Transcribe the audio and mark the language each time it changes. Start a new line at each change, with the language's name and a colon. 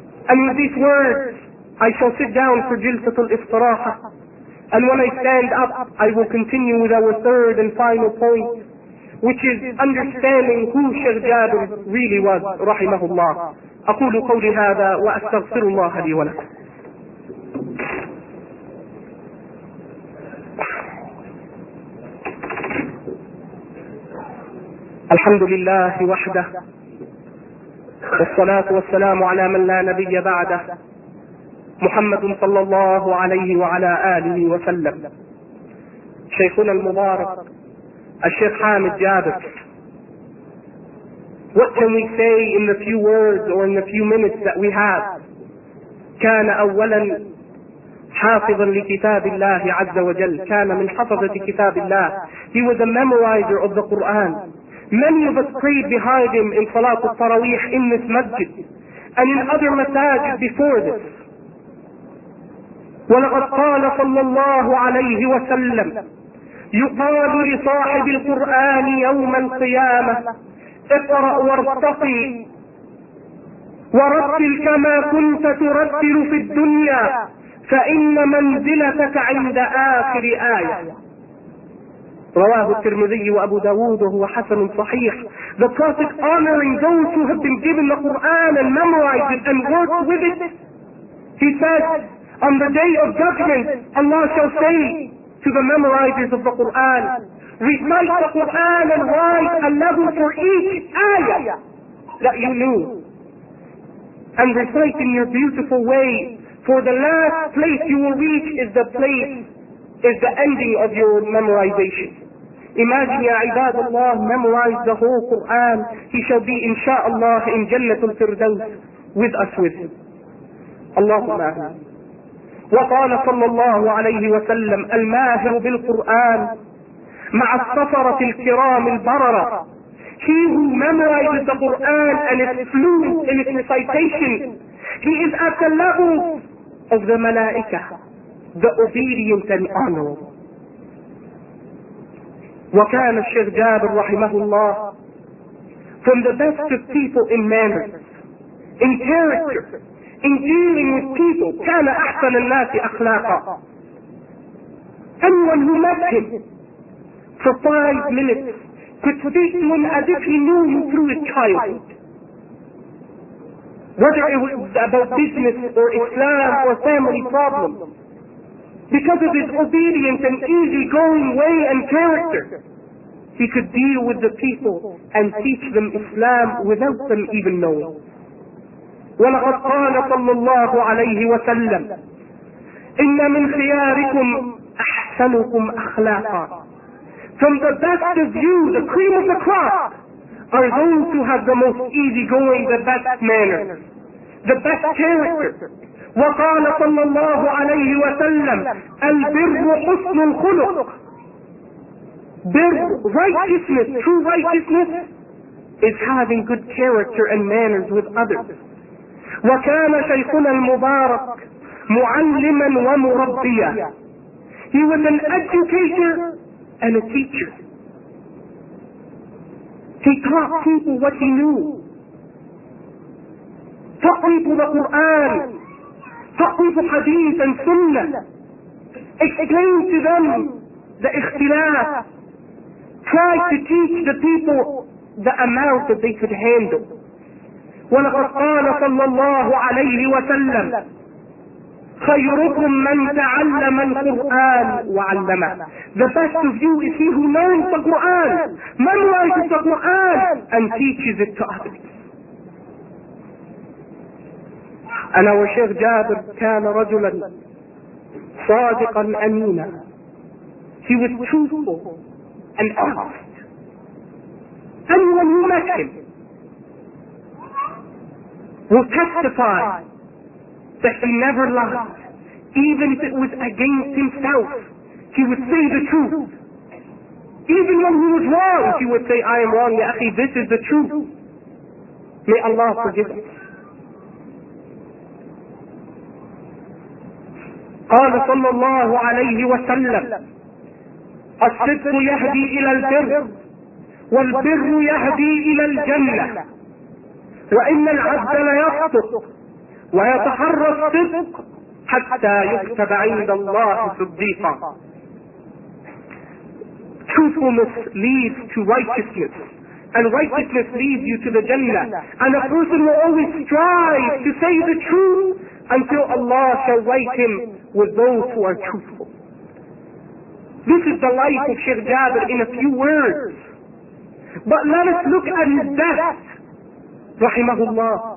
English: And with these words, I shall sit down for Jilsatul Istiraha. And when I stand up, I will continue with our third and final point, which is understanding who Shaykh Jabir really was, rahimahullah.
Arabic: أقول قولي هذا وأستغفر الله لي ولكم. الحمد لله وحده، والصلاة والسلام على من لا نبي بعده، محمد صلى الله عليه وعلى آله وسلم. شيخنا المبارك الشيخ حامد جابر.
English: What can we say in the few words or in the few minutes that we have?
Arabic: كان أولا حافظا لكتاب الله عز وجل. كان من حفظة كتاب الله.
English: He was a memorizer of the Quran. Many of us prayed behind him in
Arabic: صلاة التراويح
English: in this masjid and in other masajid before this.
Arabic: ولقد قال صلى الله عليه وسلم يقال لصاحب القرآن يوم القيامة اقرأ وارتقي ورتل كما كنت ترتل في الدنيا فإن منزلتك عند آخر آية. رواه الترمذي وأبو داود وهو حسن صحيح.
English: The Prophet honoring those who have been given the Quran and memorized it and worked with it, he said, on the day of judgment Allah shall say to the memorizers of the Quran, recite the Quran and write a level for each ayah that you knew. And recite in your beautiful way, for the last place you will reach is the place, is the ending of your memorization. Imagine,
Arabic: Ya Ibadullah,
English: memorize the whole Quran. He shall be, insha'Allah, in Jannatul Firdaus with us with him.
Arabic: Allahumma ahim. وقال صلى الله عليه وسلم الماهر بالقرآن مع السفرة الكرام البررة.
English: He who memorizes the Quran and its fluent in its recitation, he is at the level of the malaika, the obedient and honorable.
Arabic: وكان الشيخ جابر رحمه الله
English: from the best of people in manners, in character, in dealing with people.
Arabic: كان أحسن الناس أخلاقا.
English: Anyone who met him for 5 minutes could speak to him as if he knew him through his childhood. Whether it was about business or Islam or family problems, because of his obedient and easygoing way and character, he could deal with the people and teach them Islam without them even knowing.
Arabic: ولقد قال صلى الله عليه وسلم إن من خياركم أحسنكم أخلاقا.
English: From the best of you, the cream of the crop, are those who have the most easygoing, the best manners, the best character.
Arabic: وقال صلى الله عليه وسلم البر حسن الخلق.
English: Bir, righteousness, true righteousness, is having good character and manners with others.
Arabic: وكان شيخنا المبارك معلما ومربيا.
English: He was an educator and a teacher. He taught people what he knew.
Arabic: تقريب القرآن, تقريب حديث
English: and sunnah. Explain to them the اختلاف. Try to teach the people the amount that they could handle.
Arabic: وَلَقَدْ قَالَ صَلَّى اللَّهُ عَلَيْهِ وَسَلَّمْ خَيْرُكُمْ مَنْ تَعَلَّمَ الْقُرْآنَ وَعَلَّمَهُ.
English: The best of you is he who learns the Qur'an. Man learns the Qur'an and teaches it to others.
Arabic: أنا وشيخ جابر كان رجلا صادقا أمينا.
English: He was truthful and honest. Anyone who met him will testify that he never lied. Even if it was against himself, he would say the truth. Even when he was wrong, he would say, I am wrong,
Arabic: ya akhi,
English: this is the truth. May Allah forgive us.
Arabic: قال صلى الله عليه وسلم الصدق يهدي إلى البر والبر يهدي إلى الجنة وإن العبد ليصدق ويتحرى الصدق حتى يكتب عند الله صديقا.
English: Truthfulness leads to righteousness and righteousness leads you to the Jannah, and a person will always strive to say the truth until Allah shall weight him with those who are truthful. This is the life of Sheikh Jabir in a few words. But let us look at his death, rahimahullah.